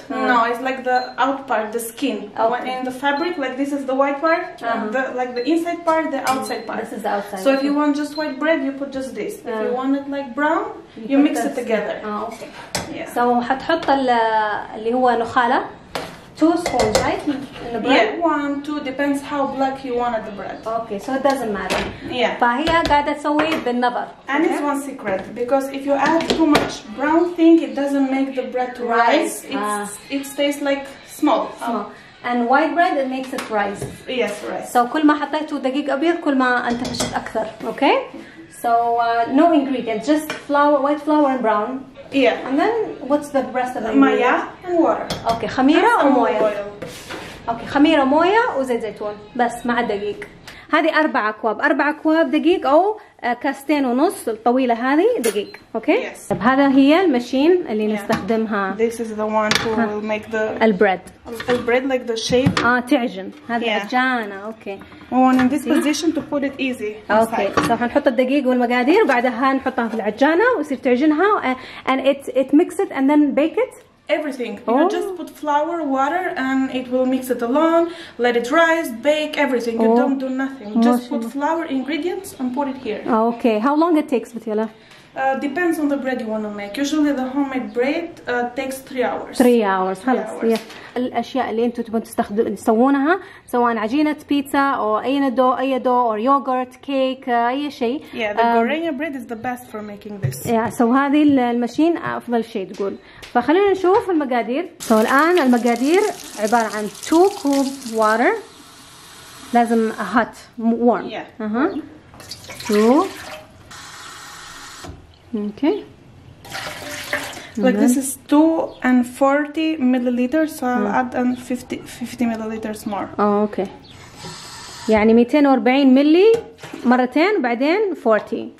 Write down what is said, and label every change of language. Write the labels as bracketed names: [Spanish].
[English] No, it's like the out part, the skin. Okay. In the fabric, like this is the white part. The inside part, the outside part. This is the outside. So if you want just white bread, you put just this. If you want it like brown, you mix it together. Oh, okay. Yeah. [Arabic] So حتحط اللي هو نخالة. [English] Two spoons, right? In the bread? Yeah, one, two, depends how black you wanted the bread. Okay, so it doesn't matter. Yeah. [Arabic] فهي قاعدة تسوي بالنظر. [English] And okay? It's one secret, because if you add too much brown thing, it doesn't make the bread to rise. It stays like small. And white bread, it makes it rise. Yes, rise. [Arabic] So كل ما حطيته دقيق أبيض, كل ما انتفشت أكثر, okay? [English] So no ingredients, just flour, white flour and brown. Yeah. And then what's the rest of the ingredients? Maya and water. [Arabic] Okay, خميرة وموية. Okay, خميرة وموية وزيت زيتون. بس مع الدقيق. هذه أربع أكواب. أربع أكواب دقيق أو كاستين ونص الطويلة هذه دقيق. [English] Okay. Yes. [Arabic] طب هذا هي المشين اللي نستخدمها. [English] This is the one who will make the. [Arabic] البريد. [English] البريد like the shape. [Arabic] تعجن. هذه عجانة. Okay. [English] And in this position to put it easy. Okay. [Arabic] So حنحط الدقيق والمقادير وبعدها نحطها في العجانة ويصير تعجنها [English] and it mix it and then bake it. Everything. You know, just put flour, water, and it will mix it along. Let it rise, bake everything. You don't do nothing. Just put flour, ingredients, and put it here. Okay. How long it takes, Vitiela? Depends on the bread you want to make. Usually the homemade bread takes 3 hours. 3 hours. خلاص. Yeah. [Arabic] الأشياء اللي أنتوا تبون تسوونها سواء عجينة بيتزا أو أي ندو أي دو أو يوغرت كيك أي شيء. [English] Yeah, the Gorenje bread is the best for making this. [Arabic] Yeah, so هذه المشين أفضل شيء تقول. فخلينا نشوف المقادير. So الآن المقادير عبارة عن 2 كوب water. لازم [English] hot, warm. Yeah. Two. Okay. Like this is 240 milliliters, so I'll add 50 milliliters more. [Arabic] Oh, okay. يعني 240 ملي مرتين بعدين 40.